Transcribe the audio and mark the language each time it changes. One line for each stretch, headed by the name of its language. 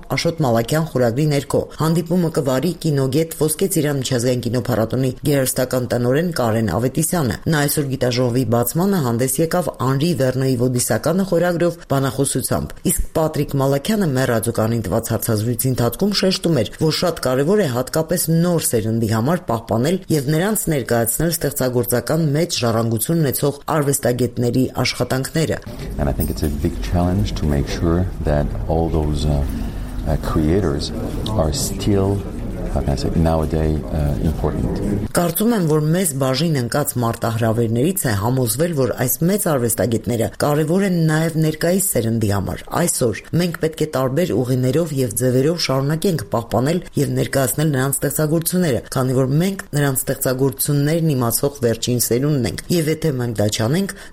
Armenian: Աշոտ Մալաքյան խորագրի ներքո։ Հանդիպումը կվարի կինոգետ Ոսկե Ծիրան միջազգային կինոփառատոնի գերհրաշտական տնօրեն Կարեն Ավետիսյանը։ Նա այսօր գիտաժողովի բացմանը հանդես եկավ Անրի Վերնոյի ոդիսականը խորագրով բանախոսությամբ։ Իսկ Պատրիկ Մալաքյանը մեր ռադիոկայանին տված հարցազրույցի ընթացքում շեշտում էր, որ շատ կարևոր է հատկապես նոր սերնդի համար պահպանել և նրանց ներկայացնել ստեղծագործական մեծ ժառանգություն ունեցող արվեստագետների աշխատանքները։
English: And I think it's a big challenge to make sure that all those creators are still, how can I say, nowadays important.
Armenian: Կարծում եմ, որ մեզ բաժին ընկած մարտահրավերներից է համոզվել, որ այս մեծ արվեստագետները կարևոր են նաև ներկայիս սերնդի համար։ Այսօր մենք պետք է տարբեր ուղիներով եւ ձևերով շարունակենք պահպանել եւ ներկայացնել նրանց ստեղծագործությունները, քանի որ մենք նրանց ստեղծագործություններն իմացող վերջին սերունդն ենք։ Եվ եթե մենք դա չանենք,